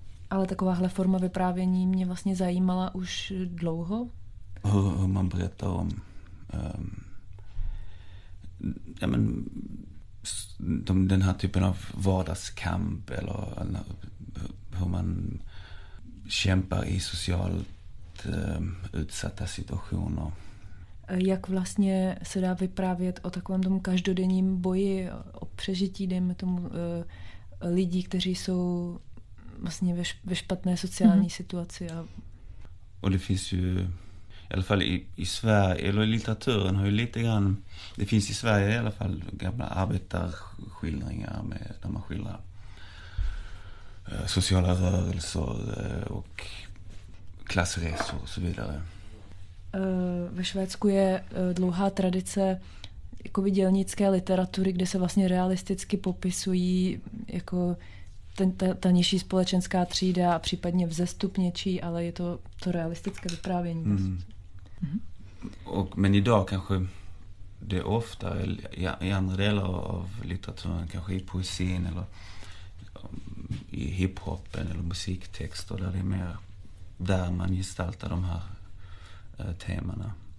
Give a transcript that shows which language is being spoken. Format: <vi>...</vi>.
<cs>Ale takováhle forma vyprávění mě vlastně zajímala už dlouho.</cs> <sv>Hur man berättar om ja men den här typen av vardagskamp eller hur man kämpar i socialt utsatta situationer.</sv> <cs>Jak vlastně se dá vyprávět o takovém tom každodenním boji, o přežití, dejme tomu lidí, kteří jsou vlastně ve špatné sociální situaci.</cs> <sv>Och det finns ju i alla fall i Sverige, eller i litteraturen har ju lite grann, det finns i Sverige i alla fall gamla arbetarskildringar med, där man skildrar sociala rörelser och klassresor och så vidare.</sv> <cs>Ve Švédsku je dlouhá tradice jakoby dělnické literatury, kde se vlastně realisticky popisují jako ta nižší společenská třída a případně vzestup něčí, ale je to realistické vyprávění.</cs> <sv>Och, men idag kanske det ofta i andra delar av litteraturen, kanske i poesin eller i hiphopen eller musiktexter där det är mer där man gestaltar de här temana.</sv>